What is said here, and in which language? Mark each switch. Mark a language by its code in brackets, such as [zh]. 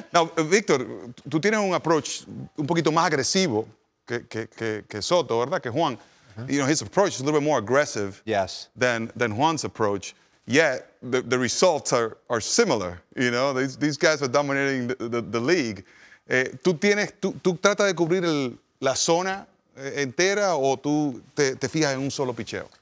[es] Now, Victor, tú tienes un approach un poquito más agresivo. Que Soto, ¿verdad? [en] Que Juan, you know, his approach is a little bit more aggressive than Juan's approach. Yet the results are similar. You know, these guys are dominating the league. [es] ¿Tú tratas de cubrir la zona entera o tú te fijas en un solo picheo?